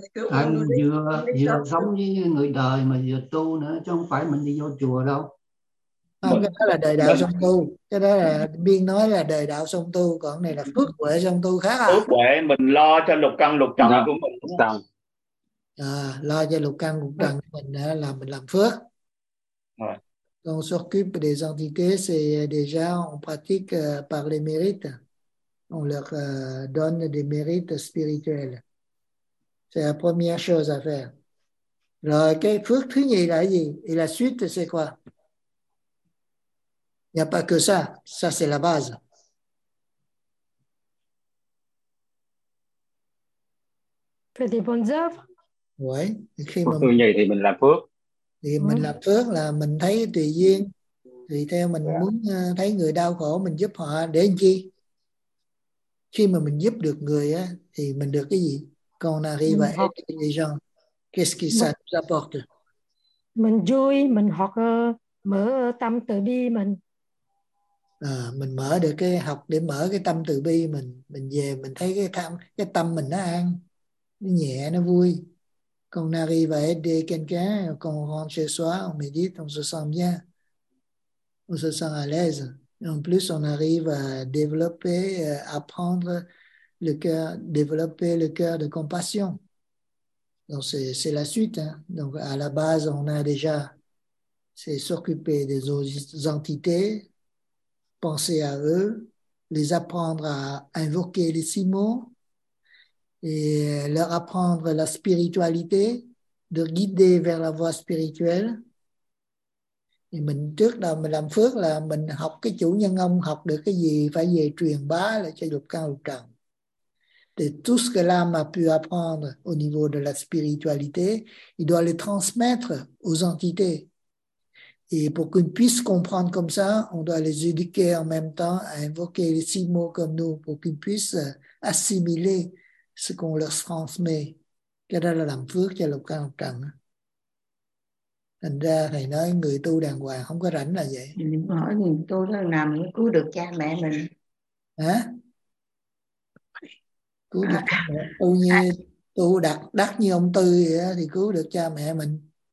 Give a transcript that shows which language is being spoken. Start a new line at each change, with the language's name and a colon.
Vietnamese: Anh vừa sống với người đời mà vừa tu nữa, chứ không phải mình đi vô chùa đâu. Không, cái đó là đời đạo song tu. Cái đó là Biên nói là đời đạo song tu, còn này là phước huệ song tu khác à? Phước huệ mình lo cho lục căn lục trần của mình. Đúng. À, lo cho lục căn lục trần mình là mình làm phước.
French: Ouais. On s'occupe des entités, c'est déjà on pratique par les mérites. On leur donne des mérites spirituels. C'est la première chose à faire. Alors,
Vietnamese: okay, phước thứ nhì là gì?
French: Et la suite, c'est quoi? Il n'y a pas que ça. Ça, c'est la base. Faire des bonnes œuvres. Oui,
Vietnamese: khi mà phước thứ nhì thì mình làm phước. Thì mình làm phước là mình thấy tùy duyên, tùy theo mình muốn thấy người đau khổ mình giúp họ để làm chi? khi mà mình giúp được người á thì mình được cái gì?
French: Quand on arrive à aider les gens, qu'est-ce que ça nous apporte?
Vietnamese: Mình vui, mình học mở tâm từ bi mình. À, mình mở được cái học để mở cái tâm từ bi mình về mình thấy cái tâm mình nó an, nó nhẹ, nó vui.
French: Quand on arrive à aider quelqu'un, quand on rentre chez soi, on médite, on se sent bien. On se sent à l'aise. Et en plus, on arrive à développer, à apprendre le cœur, développer le cœur de compassion. Donc, c'est la suite. Hein. Donc, à la base, on a déjà, c'est s'occuper des autres entités, penser à eux, les apprendre à invoquer les six mots et leur apprendre la spiritualité, de guider vers la voie spirituelle.
Vietnamese: Thì mình trước là mình làm phước là mình học cái chủ nhân ông học được cái gì phải về truyền bá lại cho lục căn lục trần.
French: Thì tout ce que l'âme a pu apprendre au niveau de la spiritualité, il doit le transmettre aux entités. Et pour qu'ils puissent comprendre comme ça, on doit les éduquer en même temps à invoquer les six mots comme nous pour qu'ils puissent assimiler ce qu'on leur transmet.
Vietnamese: Cái đó là làm phước cho lục căn lục trần. Thành ra thầy nói người tu đàng hoàng không có rảnh là vậy. Hỏi người tu làm để cứu được cha mẹ mình hả? Cứu được cha mẹ tu như tu đặt đắt như ông Tư vậy đó, thì cứu được cha mẹ mình.